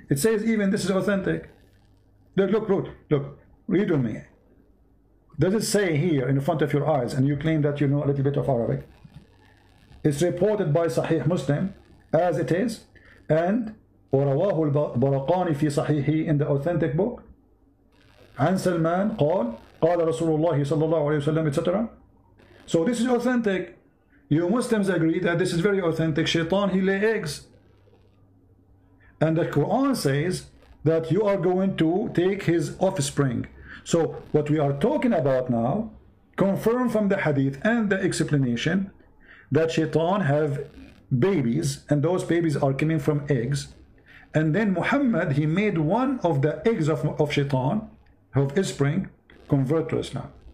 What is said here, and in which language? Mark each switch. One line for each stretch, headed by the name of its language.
English: It says even this is authentic. Look. Read with me. Does it say here in front of your eyes, and you claim that you know a little bit of Arabic? It's reported by Sahih Muslim, as it is, and
Arabic: ورواه البرقاني في صحيحه
English: in the authentic book.
Arabic: عن سلمان قال قال رسول الله صلى الله عليه وسلم etc.
English: So this is authentic. You Muslims agree that this is very authentic. Shaitan, he lay eggs. And the Quran says that you are going to take his offspring. So what we are talking about now, confirm from the hadith and the explanation that Shaitan have babies, and those babies are coming from eggs, and then Muhammad, he made one of the eggs of Shaitan, of his spring, convert to Islam.